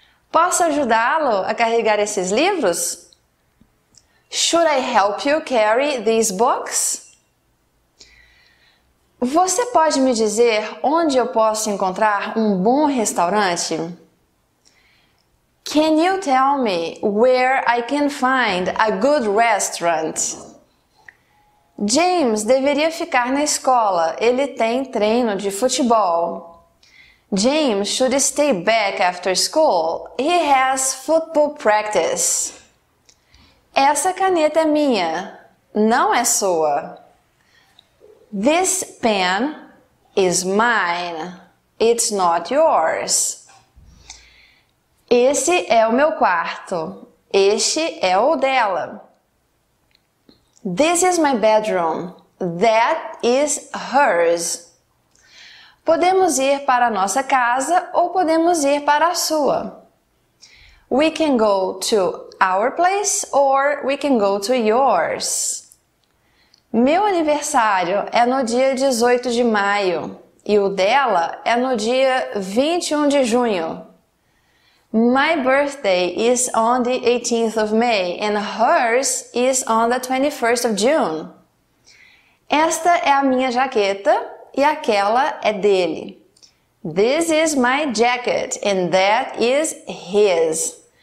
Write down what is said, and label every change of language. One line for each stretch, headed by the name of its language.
Portuguese: Posso ajudá-lo a carregar esses livros?
English: Should I help you carry these books?
Portuguese: Você pode me dizer onde eu posso encontrar um bom restaurante?
English: Can you tell me where I can find a good restaurant?
Portuguese: James deveria ficar na escola. Ele tem treino de futebol.
English: James should stay back after school. He has football practice.
Portuguese: Essa caneta é minha, não é sua.
English: This pen is mine. It's not yours.
Portuguese: Esse é o meu quarto. Este é o dela.
English: This is my bedroom. That is hers.
Portuguese: Podemos ir para a nossa casa ou podemos ir para a sua.
English: We can go to our place or we can go to yours.
Portuguese: Meu aniversário é no dia 18 de maio e o dela é no dia 21 de junho.
English: My birthday is on the 18th of May and hers is on the 21st of June.
Portuguese: Esta é a minha jaqueta e aquela é dele.
English: This is my jacket and that is his.